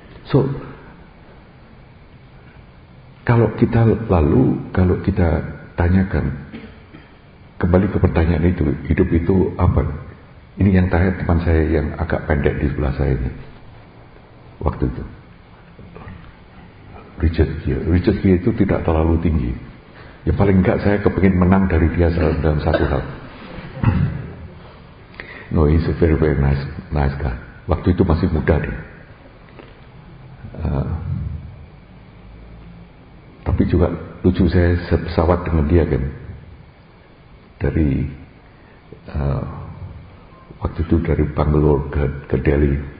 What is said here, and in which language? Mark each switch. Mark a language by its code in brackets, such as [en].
[id] So, kalau kita lalu, kalau kita tanyakan kembali ke pertanyaan itu, hidup itu apa? Ini yang tanya teman saya yang agak pendek di sebelah saya ini waktu itu. Richard Gere itu tidak terlalu tinggi. Ya paling enggak saya kepingin menang dari dia dalam satu hal. [en] No, he's a very very nice guy. [id] Waktu itu masih muda deh. Tapi juga lucu, saya sepesawat dengan dia kan. Dari waktu itu dari Bangalore ke Delhi.